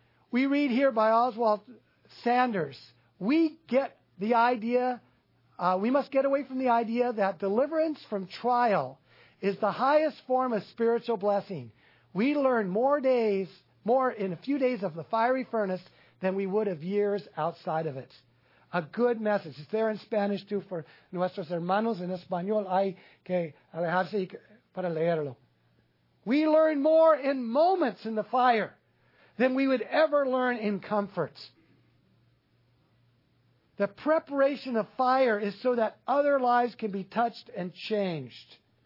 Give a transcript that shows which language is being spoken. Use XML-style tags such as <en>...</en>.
<en>We read here by Oswald Sanders, we get the idea, we must get away from the idea that deliverance from trial is the highest form of spiritual blessing. We learn more in a few days of the fiery furnace than we would of years outside of it. A good message. It's there in Spanish too for</en> <es>nuestros hermanos. En español hay que alejarse para leerlo.</es> <en>We learn more in moments in the fire than we would ever learn in comfort. The preparation of fire is so that other lives can be touched and changed.</en>